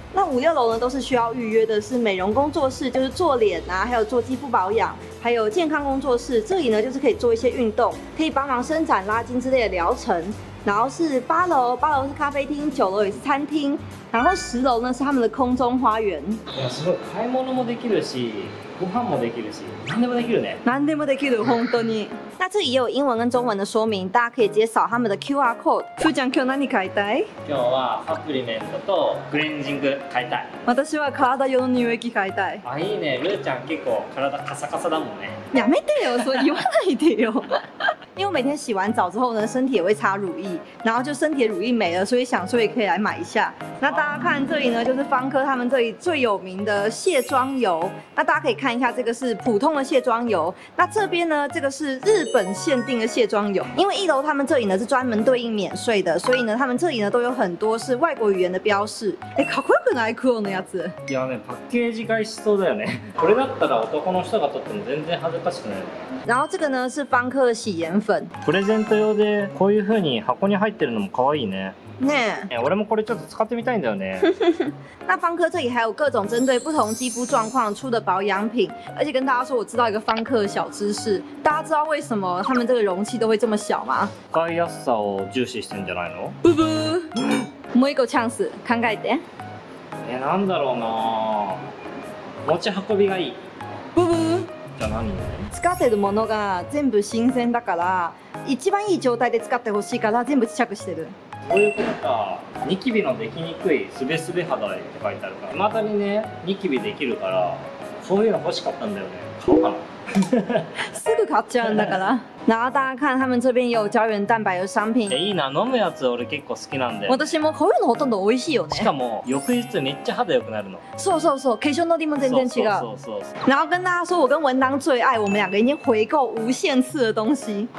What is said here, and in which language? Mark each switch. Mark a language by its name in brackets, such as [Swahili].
[Chinese] 那五六楼呢都是需要预约的，是美容工作室，就是做脸啊，还有做肌肤保养，还有健康工作室，这里呢就是可以做一些运动，可以帮忙伸展拉筋之类的疗程。然后是八楼，八楼是咖啡厅，九楼也是餐厅，然后十楼呢是他们的空中花园。 [Japanese] 哇，すごい！買い物もできるし、ご飯もできるし、何でもできるね。何でもできる、本当に。 [Chinese] 那这里也有英文跟中文的说明，大家可以直接扫他们的 QR code。 [Japanese] 副将今日何買いたい？今日はサプリメントとクレンジング買いたい。私は体用の乳液買いたい。あ、いいね。ルーちゃん結構体カサカサだもんね。やめてよ、そう言わないでよ。 [Chinese] 因为每天洗完澡之后呢，身体也会擦乳液，然后就身体的乳液没了，所以想说也可以来买一下。那大家看这里呢，就是方科他们这里最有名的卸妆油。那大家可以看一下，这个是普通的卸妆油。那这边呢，这个是日本限定的卸妆油。因为一楼他们这里呢是专门对应免税的，所以呢他们这里呢都有很多是外国语言的标示。 [Japanese] 哎，かっこよくない？黒のやつ。いやね、パッケージ買いしそうだよね。これだったら男の人が撮っても全然恥ずかしくない。 [Chinese] 然后这个呢是方科的洗颜粉。 [Japanese] プレゼント用でこういう風に箱に入ってるのも可愛いね。ねえ、俺もこれちょっと使ってみたいんだよね。 [Chinese] 那方科这里还有各种针对不同肌肤状况出的保养品，而且跟大家说，我知道一个方科的小知识，大家知道为什么他们这个容器都会这么小吗？ [Japanese] 使いやすさを重視してんじゃないの？ブブ。もう一個チャンス、考えて。え、なんだろうな。持ち運びがいい。ブブ。じゃ何？使ってるものが全部新鮮だから、一番いい状態で使ってほしいから全部試着してる。こういうことか。ニキビのできにくいすべすべ肌って書いてあるから、またにねニキビできるから、そういうの欲しかったんだよね。買おうかな。すぐ買っちゃうんだから。 [Chinese] 然后大家看他们这边有胶原蛋白的商品。 [Japanese] いいな、飲むやつ俺結構好きなんで。私もこういうのほとんど美味しいよね。しかも翌日めっちゃ肌良くなるの。そうそうそう、化粧のりも全然違う。そうそうそう。 [Chinese] 然后跟大家说，我跟文当最爱，我们两个已经回购无限次的东西。